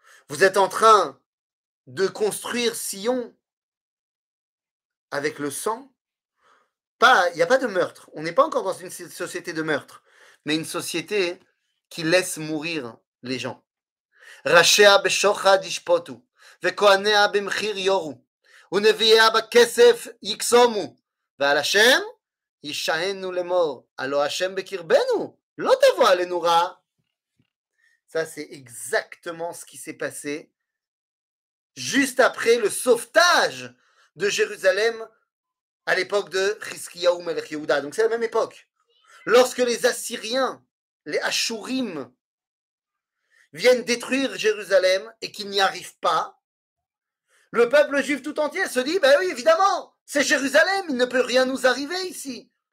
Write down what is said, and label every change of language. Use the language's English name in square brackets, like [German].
[French] Vous êtes en train de construire Sion avec le sang. Pas, il n'y a pas de meurtre. On n'est pas encore dans une société de meurtre, mais une société qui laisse mourir les gens. [Hebrew] ראשיה בשוחד ישפוטו, וכהניה במחיר יורו, ונביאיה בכסף יקסומו, ועל השם ישענו למור, הלא השם בקרבנו, לא תבוא עלינו רע. [French] Ça, c'est exactement ce qui s'est passé juste après le sauvetage de Jérusalem à l'époque de Chizkiyahou Melech Yehuda. Donc, c'est la même époque. Lorsque les Assyriens, les Ashurim, viennent détruire Jérusalem et qu'ils n'y arrivent pas, le peuple juif tout entier se dit, ben oui, évidemment, c'est Jérusalem, il ne peut rien nous arriver ici.